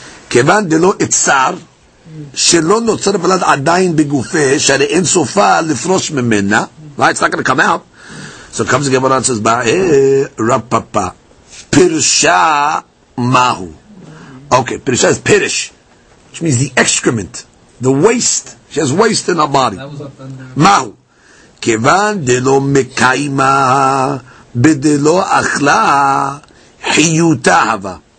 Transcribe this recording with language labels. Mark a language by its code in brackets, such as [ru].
[he] כיוון דלא עצר, שלא נוצר ולד עדיין בגופה, שהרי אין סופה לפרוש ממנה, [en] right, it's not going to come out. So comes the Gemara and says, [he] רפפה, פירשה מהו. [en] Okay, [he] פירשה [en] is פירש, which means the excrement, the waste, she has waste in her body. [arc] מהו. כיוון דלא מקיימה, בדלא אכלה, חיותה הווה.